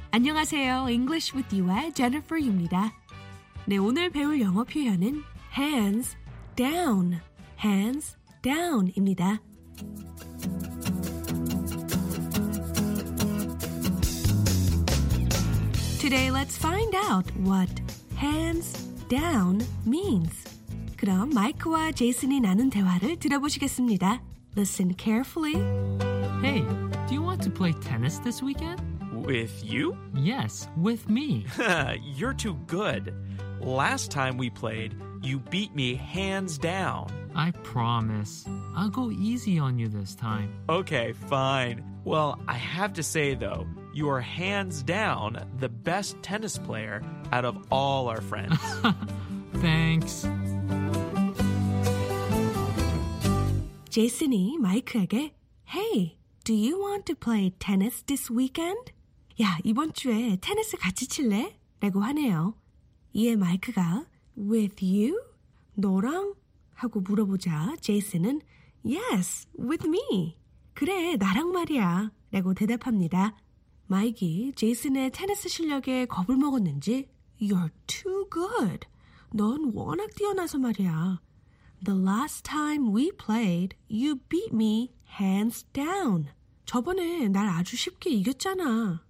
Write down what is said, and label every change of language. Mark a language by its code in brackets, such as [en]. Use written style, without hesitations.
[ko] 안녕하세요, English with you의 Jennifer Yu입니다. 네, 오늘 배울 영어 표현은 hands down, hands down입니다. 오늘 [en] let's find out what hands down means. [ko] 그럼 마이크와 제이슨이 나눈 대화를 들어보시겠습니다. [en] Listen carefully. Hey, do you want to play tennis this weekend? With you? Yes, with me. You're too good. Last time we played, you beat me hands down. I promise. I'll go easy on you this time. Okay, fine. Well, I have to say though, you are hands down the best tennis player out of all our friends. Thanks. [ko] 제이슨이 마이크에게 [en] Hey, do you want to play tennis this weekend? [ko] 야, 이번 주에 테니스 같이 칠래? 라고 하네요. 이에 마이크가 [en] With you? [ko] 너랑? 하고 물어보자 제이슨은 [en] Yes, with me. [ko] 그래, 나랑 말이야. 라고 대답합니다. 마이크, 제이슨의 테니스 실력에 겁을 먹었는지 [en] You're too good. [ko] 넌 워낙 뛰어나서 말이야. [en] The last time we played, you beat me hands down. [ko] 저번에 날 아주 쉽게 이겼잖아.